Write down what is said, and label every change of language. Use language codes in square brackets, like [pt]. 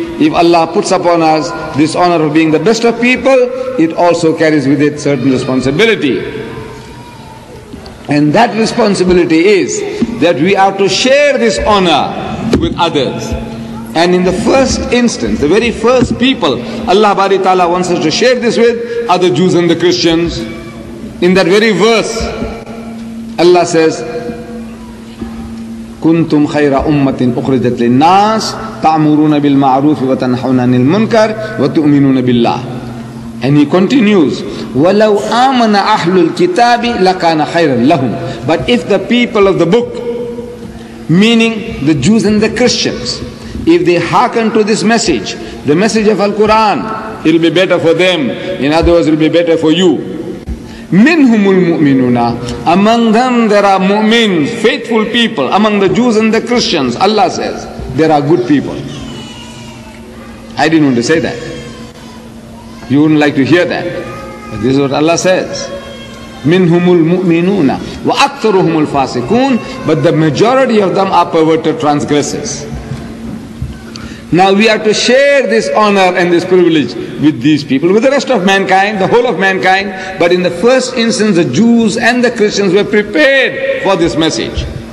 [en] If Allah puts upon us this honor of being the best of people, it also carries with it certain responsibility. And that responsibility is that we are to share this honor with others. And in the first instance, the very first people Allah Bari Ta'ala wants us to share this with are the Jews and the Christians. In that very verse, Allah says, [ar] كنتم خير أمة أخرجت للناس تأمرون بالمعروف وتنهون عن المنكر وتؤمنون بالله. [en] And he continues, [ar] ولو آمن أهل الكتاب لكان خيرا لهم. [en] But if the people of the book, meaning the Jews and the Christians, if they hearken to this message, the message of Al-Quran, it'll be better for them. In other words, it'll be better for you. [ar] منهم المؤمنون. [en] Among them there are mu'mins, faithful people. Among the Jews and the Christians, Allah says, there are good people. I didn't want to say that. You wouldn't like to hear that. But this is what Allah says. [ar] منهم المؤمنون وأكثرهم الفاسقون. [en] But the majority of them are perverted transgressors. Now we are to share this honor and this privilege with these people, with the rest of mankind, the whole of mankind. But in the first instance, the Jews and the Christians were prepared for this message.